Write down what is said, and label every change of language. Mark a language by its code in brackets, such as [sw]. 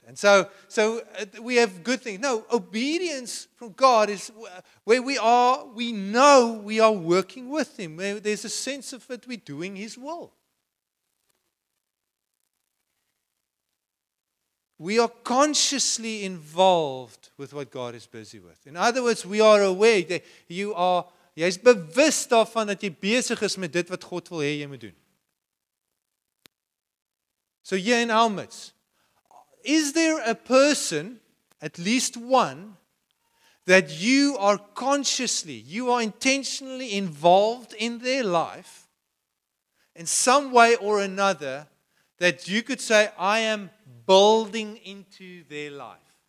[en] And so we have good things. No, obedience from God is where we are, we know we are working with Him. Where there's a sense of that we're doing His will. We are consciously involved with what God is busy with. In other words, we are aware that [af] jy is bewus daarvan dat jy besig is met dit wat God wil hê jy moet doen. [en] So hier in our midst, is there a person, at least one, that you are consciously, you are intentionally involved in their life in some way or another that you could say, I am building into their life?